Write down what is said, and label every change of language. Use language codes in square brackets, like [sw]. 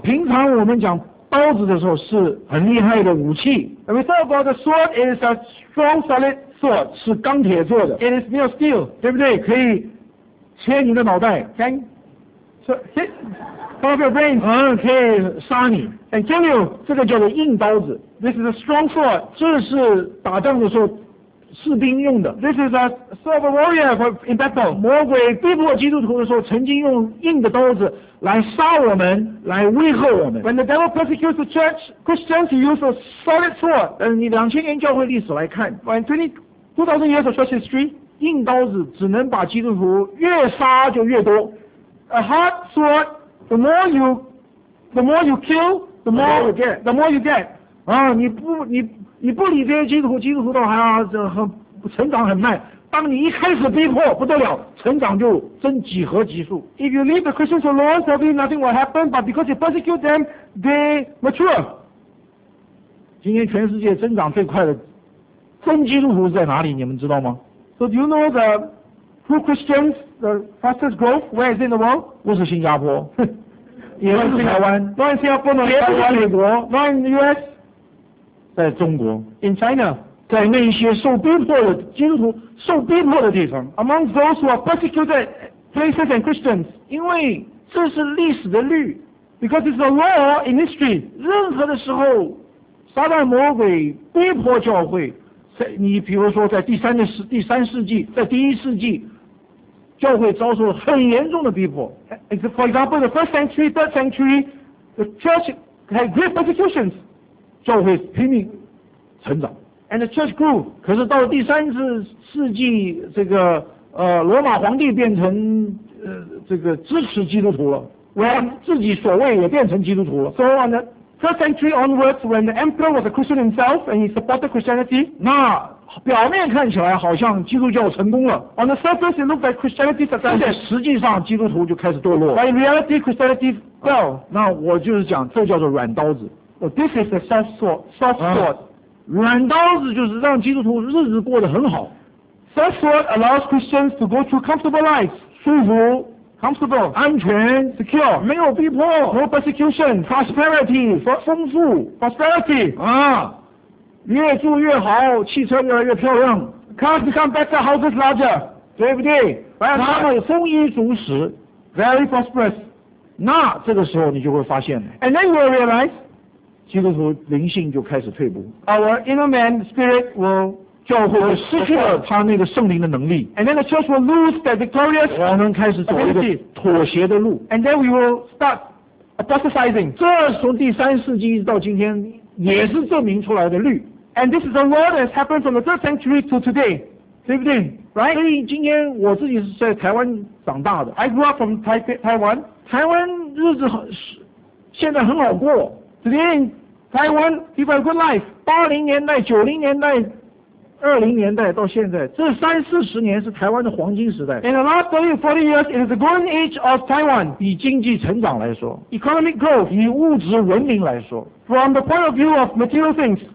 [zh] 平常我们讲刀子的时候是很厉害的武器。 [en] And we talk about the sword is a strong, solid sword. [zh] 是钢铁做的。 [en] It is made of steel. [zh] 对不对？可以切你的脑袋。 [en] Can hit off your brains. [zh] 可以杀你。 [en] And kill you. [zh] 这个叫做硬刀子。 [en] This is a strong sword. [zh] 这是打仗的时候士兵用的。 [en] This is a sword of a warrior for in battle. [zh] 魔鬼逼迫基督徒的时候，曾经用硬的刀子来杀我们，来威吓我们。 [en] When the devil persecutes the church, Christians use a solid sword. [zh] 你两千年教会历史来看 [en] ，When 2000 years of church history, [zh] 硬刀子只能把基督徒越杀就越多。 [en] A hard sword, the more you kill, the more you get. [zh] 你不理这些基督徒，基督徒的话成长很慢。当你一开始逼迫，不得了，成长就增几何级数。 [en] If you leave the Christians alone, probably nothing will happen, but because you persecute them, they mature. [zh] 今天全世界增长最快的真基督徒在哪里？你们知道吗 [en] ？So do you know the true Christians, the fastest growth, where is it in the world? [zh] 不是新加坡，也不是台湾，不是新加坡，也不是美国 [en] ，Not in the US。 [zh] 在中国 [en] ，in China， [zh] 在那些受逼迫的基督徒受逼迫的地方 [en] ，among those who are persecuted places and Christians， [zh] 因为这是历史的律 [en] ，because it's a law in history。 [zh] 任何的时候，撒旦魔鬼逼迫教会，你比如说在第三世纪，在第一世纪，教会遭受很严重的逼迫。 [en] For example, the first century, third century, the church had great persecutions。 [zh] 教会拼命成长 [en] ，and the church grew。 [zh] 可是到了第三世纪，这个罗马皇帝变成这个支持基督徒了 [en] ，when [zh] 自己所谓也变成基督徒了。 [en] So on the first century onwards, when the emperor was a Christian himself and he supported Christianity, [zh] 那表面看起来好像基督教成功了 [en] ，on the surface it looked like Christianity succeeded。 [zh] 但实际上基督徒就开始堕落 [en] ，but in reality Christianity fell。 [zh] 那我就是讲，这叫做软刀子。 [en] So this is the soft sword. Soft sword, [zh] 软刀子就是让基督徒日子过得很好。 [en] Soft sword allows Christians to go through comfortable lives, [zh] 舒服 [en] ，comfortable, [zh] 安全 [en] ，secure, [zh] 没有逼迫 [en] ，no persecution, prosperity, [zh] 丰富 [en] ，prosperity, [zh] 越住越好，汽车越来越漂亮 [en] ，cars become better, houses larger, [zh] 对不对？他们丰衣足食 [en] ，very prosperous. [zh] 那这个时候你就会发现 [en] ，and then you will realize. [zh] 基督徒灵性就开始退步 [en] ，Our inner man spirit will [zh] 教会失去了他那个圣灵的能力 [en] ，And then the church will lose that victorious ability. [zh] 我们开始走一个妥协的路 [en] ，And then we will start apostatizing. [zh] 这从第三世纪一直到今天也是证明出来的律 [en] ，And this is a law that has happened from the third century to today. [zh] 对不对 [en] ？Right. [zh] 所以今天我自己是在台湾长大的 [en] ，I grew up from Taiwan. [zh] 台湾日子现在很好过。 [en] Today in Taiwan, people have a good life. [zh] 80年代、90年代、20年代到现在，这三四十年是台湾的黄金时代。 [en] In the last 30 to 40 years, it is the golden age of Taiwan. [zh] 以经济成长来说 [en] ，economic growth. [zh] 以物质文明来说 [en] ，from the point of view of material things.